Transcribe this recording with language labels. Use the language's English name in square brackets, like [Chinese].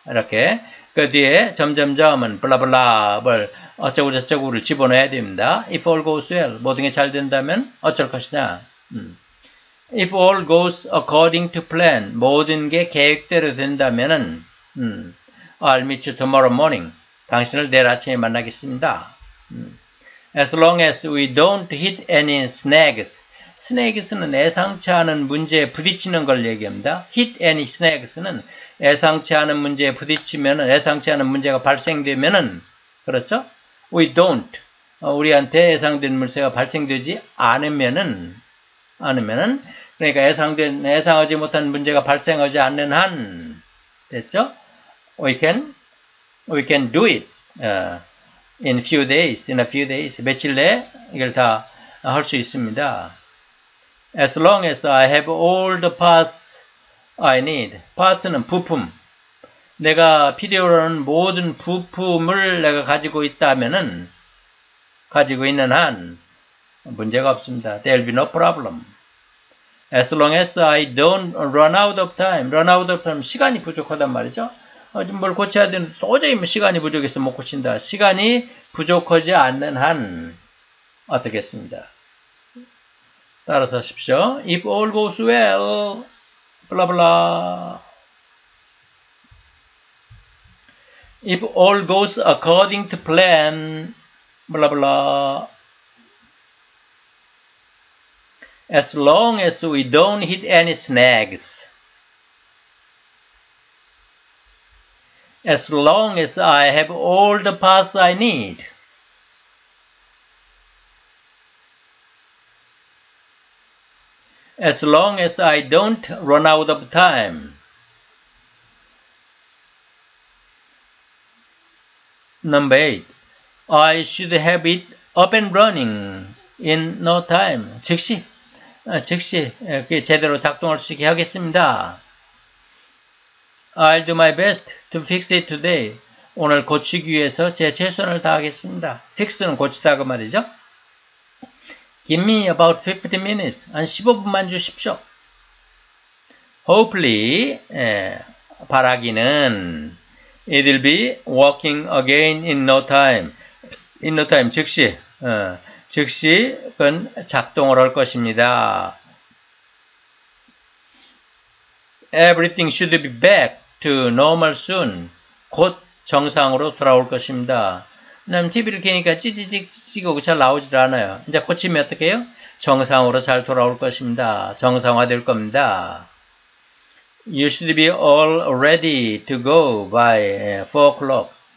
[Korean] 이렇게 그 뒤에 점점점은 블라블라 뭘 어쩌고저쩌고를 집어넣어야 됩니다. [English] If all goes well, [Korean] 모든 게 잘 된다면 어쩔 것이냐. [English] If all goes according to plan, [Korean] 모든 게 계획대로 된다면은 [English] I'll meet you tomorrow morning. [Korean] 당신을 내일 아침에 만나겠습니다. [English] As long as we don't hit any snags. [Korean] Snags는 예상치 않은 문제에 부딪히는 걸 얘기합니다. Hit any snags는 예상치 않은 문제에 부딪히면, 예상치 않은 문제가 발생되면은 그렇죠? [English] We don't. [Korean] 우리한테 예상된 문제가 발생되지 않으면은 그러니까 예상하지 못한 문제가 발생하지 않는 한 됐죠? [English] We can do it in few days, in a few days. [Korean] 며칠 내에 이걸 다 할 수 있습니다. [English] As long as I have all the parts I need. [Korean] Part는 부품. 내가 필요로 하는 모든 부품을 내가 가지고 있다면은 가지고 있는 한 문제가 없습니다. [English] There'll be no problem. As long as I don't run out of time. Run out of time. [Korean] 시간이 부족하단 말이죠. 지금 뭘 고쳐야 되는데 도저히 시간이 부족해서 못 고친다. 시간이 부족하지 않는 한 어떻겠습니다. 따라서 하십시오. [English] If all goes well, blah blah. If all goes according to plan, blah blah. As long as we don't hit any snags. As long as I have all the parts I need. 'As long as I don't run out of time. 8. I should have it up and running in no time. [Korean] 즉시 이렇게 제대로 작동할 수 있게 하겠습니다. [English] I'll do my best to fix it today. [Korean] 오늘 고치기 위해서 제 최선을 다하겠습니다. Fix는 고치다 그 말이죠. [English] Give me about 50 minutes. [Korean] 한 15분만 주십시오. [English] Hopefully, [Korean] 바라기는 [English] it'll be working again in no time. In no time, [Korean] 즉시 그건 작동을 할 것입니다. [English] Everything should be back to normal soon. [Korean] 곧 정상으로 돌아올 것입니다. 그럼 TV를 켜니까 찌찌찌찌찌고 잘 나오질 않아요. 이제 고치면 어떡해요? 정상으로 잘 돌아올 것입니다. 정상화될 겁니다. [English] You should be all ready to go by 4 o'clock.